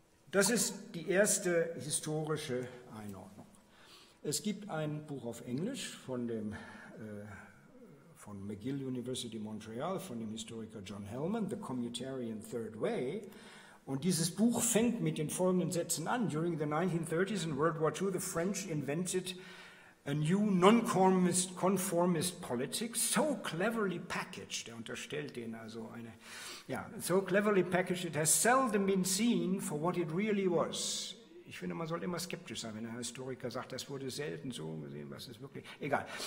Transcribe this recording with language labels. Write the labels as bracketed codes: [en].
[de] Das ist die erste historische Einordnung. Es gibt ein Buch auf Englisch von McGill University Montreal, von dem Historiker John Hellman, The Communitarian Third Way. Und dieses Buch fängt mit den folgenden Sätzen an. [en] During the 1930s and World War II, the French invented a new non-conformist politics, so cleverly packaged, [de] er unterstellt denen also eine, ja, [en] so cleverly packaged, it has seldom been seen for what it really was. [de] Ich finde, man sollte immer skeptisch sein, wenn ein Historiker sagt, das wurde selten so gesehen, was ist wirklich, egal.